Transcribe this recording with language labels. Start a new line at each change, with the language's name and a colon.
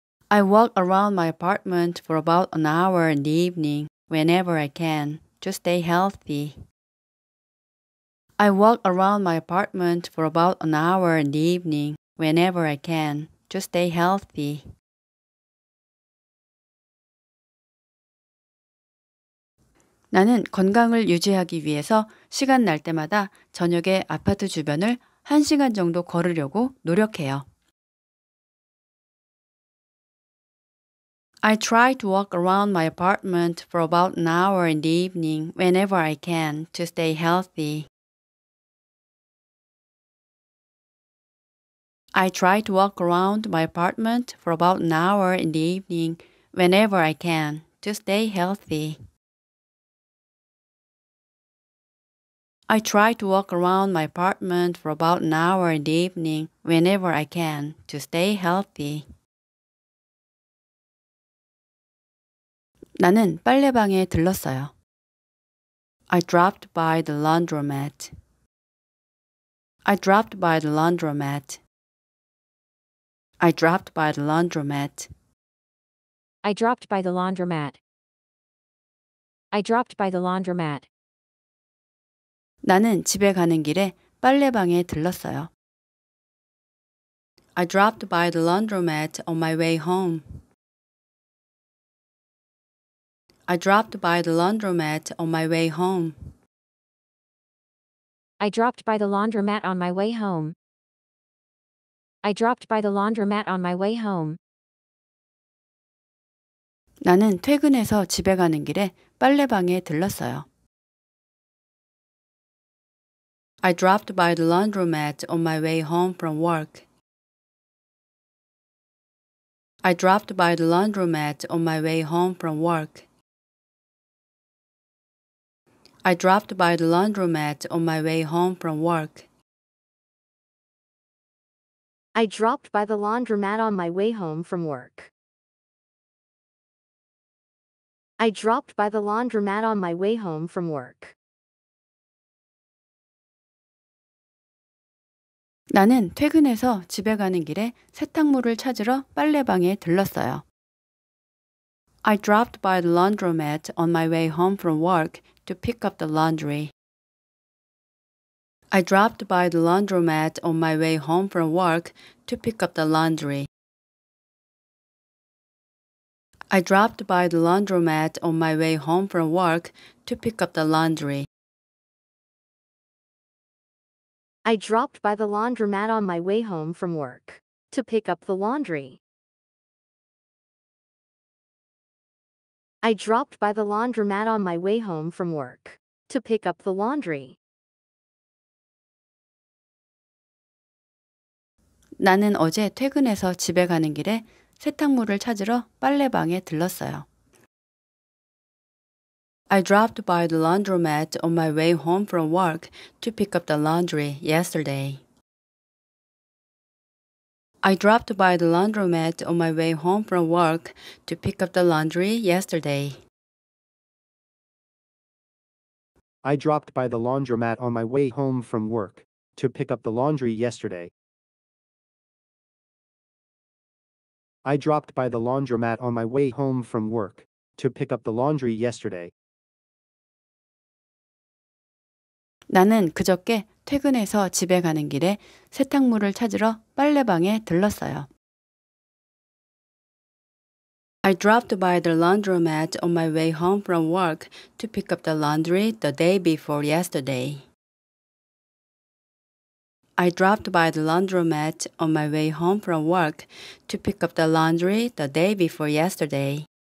English: I walk around my apartment for about an hour in the evening whenever I can to stay healthy. I walk around my apartment for about an hour in the evening whenever I can to stay healthy.
Korean: 나는 건강을 유지하기 위해서 시간 날 때마다 저녁에 아파트 주변을 1시간 정도 걸으려고 노력해요.
English: I try to walk around my apartment for about an hour in the evening whenever I can to stay healthy. I try to walk around my apartment for about an hour in the evening whenever I can to stay healthy. I try to walk around my apartment for about an hour in the evening whenever I can to stay healthy.
Korean: 나는 빨래방에 들렀어요.
English: I dropped by the laundromat. I dropped by the laundromat. I dropped by the laundromat. I dropped by the laundromat. I dropped by the laundromat.
Korean: 나는 집에 가는 길에 빨래방에 들렀어요.
English: I dropped by the laundromat on my way home. I dropped by the laundromat on my way home. I dropped by the laundromat on my way home. I dropped by the laundromat on my way home.
Korean: 나는 퇴근해서 집에 가는 길에 빨래방에 들렀어요.
English: I dropped by the laundromat on my way home from work. I dropped by the laundromat on my way home from work. I dropped by the laundromat on my way home from work. I dropped by the laundromat on my way home from work. I dropped by the laundromat on my way home from work.
Korean: 나는 퇴근해서 집에 가는 길에 세탁물을 찾으러 빨래방에 들렀어요.
English: I dropped by the laundromat on my way home from work to pick up the laundry. I dropped by the laundromat on my way home from work to pick up the laundry. I dropped by the laundromat on my way home from work to pick up the laundry. I dropped by the laundromat on my way home from work to pick up the laundry. I dropped by the laundromat on my way home from work to pick up the laundry.
Korean: 나는 어제 퇴근해서 집에 가는 길에 세탁물을 찾으러 빨래방에 들렀어요.
English: I dropped by the laundromat on my way home from work to pick up the laundry yesterday. I dropped by the laundromat on my way home from work to pick up the laundry yesterday. I dropped by the laundromat on my way home from work to pick up the laundry yesterday. I dropped by the laundromat on my way home from work to pick up the laundry yesterday.
Korean: 나는 그저께 퇴근해서 집에 가는 길에 세탁물을 찾으러 빨래방에 들렀어요.
English: I dropped by the laundromat on my way home from work to pick up the laundry the day before yesterday. I dropped by the laundromat on my way home from work to pick up the laundry the day before yesterday.